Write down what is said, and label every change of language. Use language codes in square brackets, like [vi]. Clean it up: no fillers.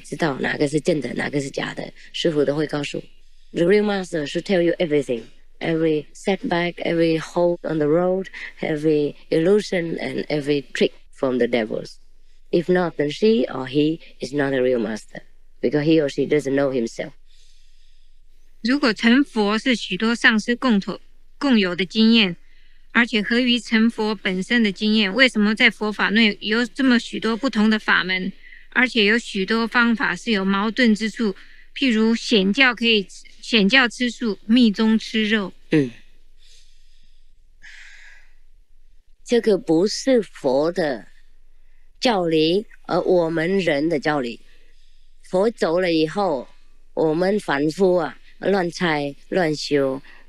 [zh] 印心的时候，以后你会知道哪个是真的，哪个是假的。师父都会告诉。 [en] The real master should tell you everything. Every setback, every hole on the road, every illusion, and every trick from the devils. If not, then she or he is not a real master, because he or she doesn't know himself. [zh] 如果成佛是许多上师共同共有的经验，而且合于成佛本身的经验，为什么在佛法内有这么许多不同的法门，而且有许多方法是有矛盾之处，譬如显教可以显教吃素，密宗吃肉。嗯，这个不是佛的教理，而我们人的教理。佛走了以后，我们凡夫啊，乱猜乱修。